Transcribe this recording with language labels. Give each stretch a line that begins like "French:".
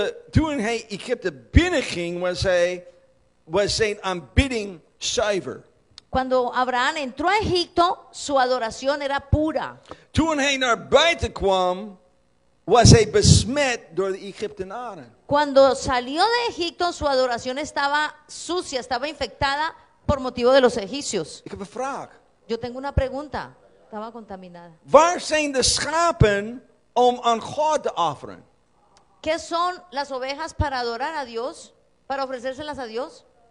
Dutch: Toen hij Egypte binnenging, was zijn aanbidding zuiver.
Spanish: Cuando Abraham entró a Egipto, su adoración era pura.
Dutch: Toen hij naar buiten kwam, was hij besmet door de Egyptenaren.
Spanish: Cuando salió de Egipto, su adoración estaba sucia, estaba infectada por motivo de los egipcios.
Dutch: Ik heb een vraag.
Spanish: Yo tengo una pregunta. Estaba contaminada.
Dutch: Waar zijn de schapen om aan God te offeren?
Spanish: ¿Qué son las ovejas para adorar a Dios, para ofrecérselas a Dios?